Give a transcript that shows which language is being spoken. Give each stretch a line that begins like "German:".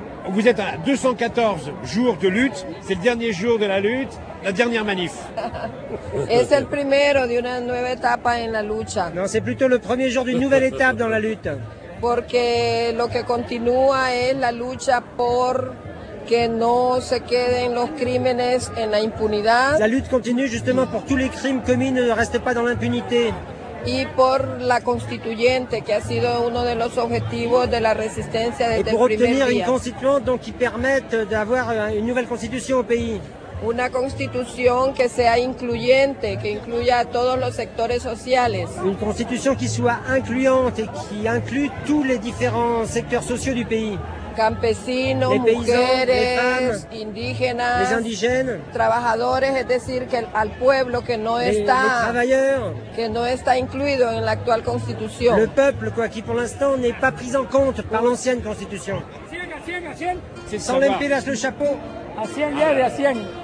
French: Vous êtes à 214 jours de lutte, c'est le dernier jour de la lutte, la dernière manif.
Spanish: Es el primero de una nueva etapa en la lucha.
French: Non, c'est plutôt le premier jour d'une nouvelle étape dans la lutte.
Spanish: Porque lo que continúa es la lucha por que no se queden los crímenes en la impunidad.
French: La lutte continue justement pour que tous les crimes commis ne restent pas dans l'impunité.
Spanish: Y por la constituyente, que ha sido uno de los objetivos de la resistencia desde el primer día.
French: Pour obtenir une constituante donc qui permette d'avoir une nouvelle constitution au pays.
Spanish: Una constitución que sea incluyente, que incluya a todos los sectores sociales.
French: Une constitution qui soit incluyente et qui inclut tous les différents secteurs sociaux du pays.
Spanish: Campesinos,
French: les paysans,
Spanish: mujeres,
French: les femmes,
Spanish: indígenas,
French: les indigènes,
Spanish: trabajadores, es decir, que al pueblo que no está,
French: les travailleurs,
Spanish: que no está incluido en la actual constitución.
French: Le peuple, quoi, qui pour l'instant n'est pas pris en compte par l'ancienne constitution. Asien, sans même pilas le chapeau. Asien, ya de Asien.